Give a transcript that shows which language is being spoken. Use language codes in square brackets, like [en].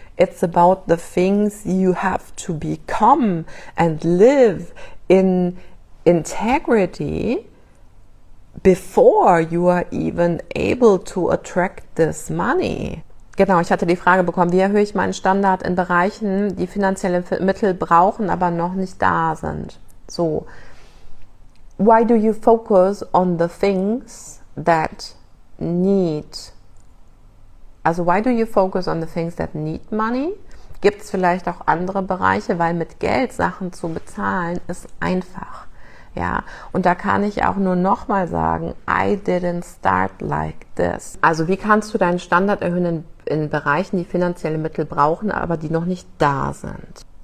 [en] It's about the things you have to become and live in integrity before you are even able to attract this money. [de] Genau, ich hatte die Frage bekommen, wie erhöhe ich meinen Standard in Bereichen, die finanzielle Mittel brauchen, aber noch nicht da sind. [en] So, why do you focus on the things that need? Also, why do you focus on the things that need money? [de] Gibt es vielleicht auch andere Bereiche, weil mit Geld Sachen zu bezahlen ist einfach. Ja, und da kann ich auch nur nochmal sagen, [en] I didn't start like this. [de] Also, wie kannst du deinen Standard erhöhen in Bereichen, die finanzielle Mittel brauchen, aber die noch nicht da sind?